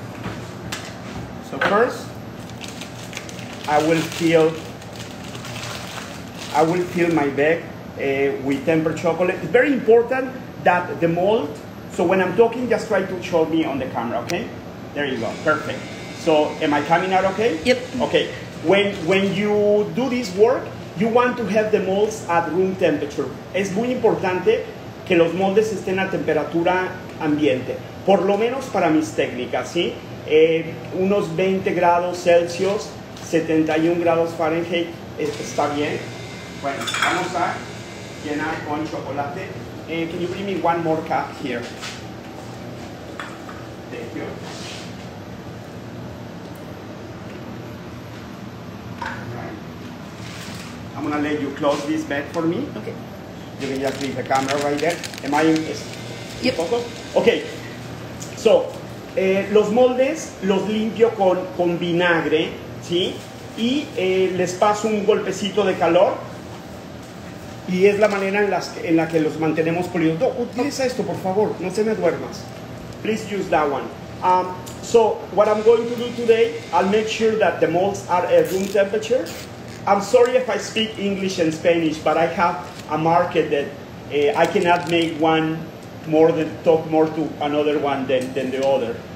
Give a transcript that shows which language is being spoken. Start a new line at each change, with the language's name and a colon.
English: First, I will fill my bag with tempered chocolate. It's very important that the mold, so when I'm talking, just try to show me on the camera, okay? There you go, perfect. So am I coming out okay? Yep. Okay, when you do this work, you want to have the molds at room temperature.
Spanish: Es muy importante que los moldes estén a temperatura ambiente, por lo menos para mis técnicas, ¿sí? Unos 20 grados Celsius, 71 grados Fahrenheit, está bien. Bueno, vamos a llenar con chocolate.
English: Can you give me one more cup here? Thank you. Right. I'm gonna let you close this bag for me. Okay. You can just leave the camera right there. Am I in this? Yep. Okay, so.
Spanish: Los moldes los limpio con vinagre, ¿sí? Y les paso un golpecito de calor y es la manera en la que los mantenemos pulidos. No, utiliza esto, por favor, no se me duermas.
English: Please use that one. So what I'm going to do today, I'll make sure that the molds are at room temperature. I'm sorry if I speak English and Spanish, but I have a market that I cannot make one more than talk more to another one than the other.